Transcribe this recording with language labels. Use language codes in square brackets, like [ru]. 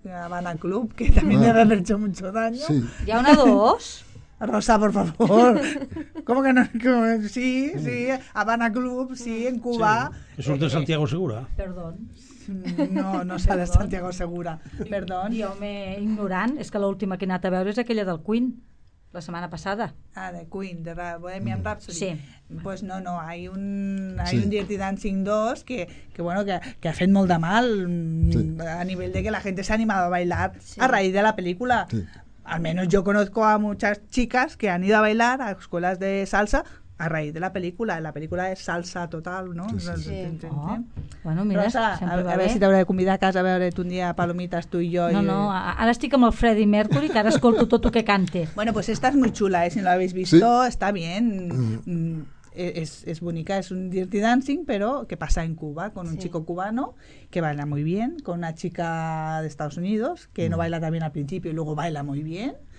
[es] Habana Club, que también debe haber hecho mucho daño. Sí. ¿Y a una dos? Rosa, por favor. ¿Cómo que no? Sí, sí, Habana Club, sí, en Cuba. Sí. ¿Eso es de Santiago Segura? Perdón. No sé de Santiago Segura. Perdón. [ca] Jo me ignorant, és que l'última que he anat a veure és aquella del Queen. [es] La semana pasada. Ah, de Queen, de Bohemian Rhapsody. Sí. Pues no, hay un Dirty Dancing 2 que bueno, [ca] que ha fet molt de mal, [es] a nivell de que la gente s'ha animado a bailar a raíz de la película. Sí. Al menos yo conozco a muchas chicas que han ido a bailar a escuelas de salsa a raíz de la película. La película es salsa total, ¿no? Sí, sí, sí. Sí. Oh. Bueno, mira, Rosa, [ca] a ver si t'hauré de convidar a casa a veure't un dia palomitas tu i jo. No, ara estic amb el Freddie Mercury, que ara escolto tot el que cante. [es] Bueno, pues esta es muy chula, si no la habéis visto, sí. Está bien. Es bonica, es un Dirty Dancing, pero que pasa en Cuba, con un chico cubano que baila muy bien, con una chica de Estados Unidos, que no baila tan bien al principio y luego baila muy bien.